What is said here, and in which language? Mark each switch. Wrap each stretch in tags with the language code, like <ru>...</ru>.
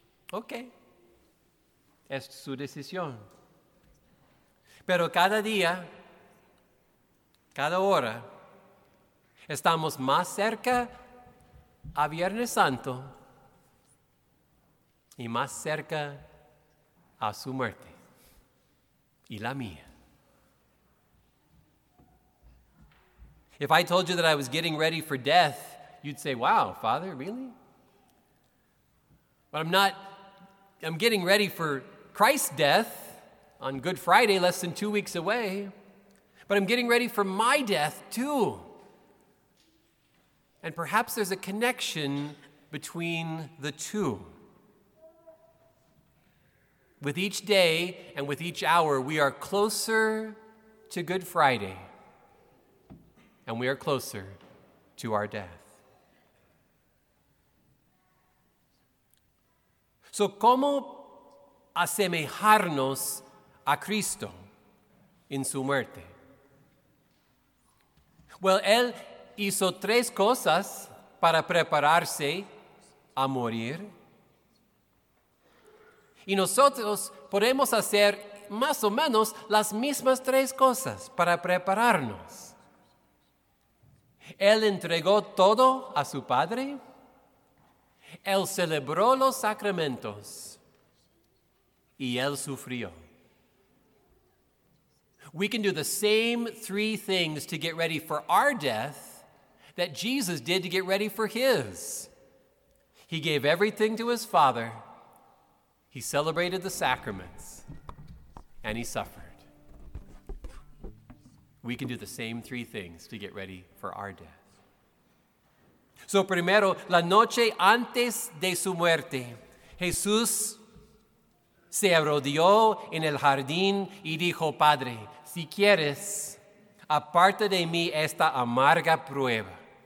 <es>Ok, es su decisión. Pero cada día, cada hora, estamos más cerca a Viernes Santo y más cerca a su muerte y la mía.</es> <en>If I told you that I was getting ready for death, you'd say, wow, Father, really? But I'm getting ready for Christ's death on Good Friday, less than 2 weeks away. But I'm getting ready for my death too. And perhaps there's a connection between the two. With each day and with each hour, we are closer to Good Friday, and we are closer to our death.</en> <es>So, ¿cómo asemejarnos a Cristo en su muerte? Well, Él hizo 3 cosas para prepararse a morir. Y nosotros podemos hacer más o menos las mismas 3 cosas para prepararnos. Él entregó todo a su Padre. Él celebró los sacramentos. Y Él sufrió.</es> <en>We can do the same 3 things to get ready for our death that Jesus did to get ready for his. He gave everything to his Father, he celebrated the sacraments, and he suffered. We can do the same 3 things to get ready for our death.</en> <es>So primero, la noche antes de su muerte, Jesús se arrodilló en el jardín y dijo, Padre, si quieres, aparta de mí esta amarga prueba.</es>